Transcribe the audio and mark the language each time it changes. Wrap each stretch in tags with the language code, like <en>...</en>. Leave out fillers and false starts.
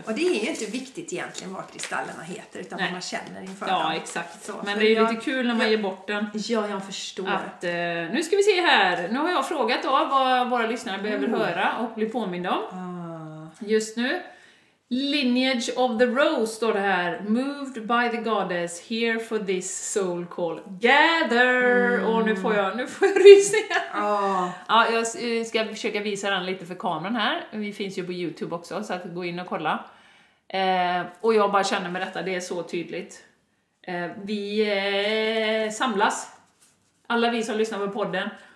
<sv>Och det är ju inte viktigt egentligen vad kristallerna heter, utan vad man känner inför den. Ja, exakt. Så, men det är ju lite kul när man ger bort den. Ja, jag förstår. Att, nu ska vi se här. Nu har jag frågat då vad våra lyssnare behöver höra och bli påminna om. Just nu, Lineage of the Rose står det här.</sv> <en>Moved by the goddess, here for this soul call. Gather! Mm.</en> <sv>Och nu får jag rysningar. Oh. Ja, jag ska försöka visa den lite för kameran här. Vi finns ju på YouTube också, så att gå in och kolla. Och jag bara känner med detta, det är så tydligt. Vi samlas, alla vi som lyssnar på podden.</sv>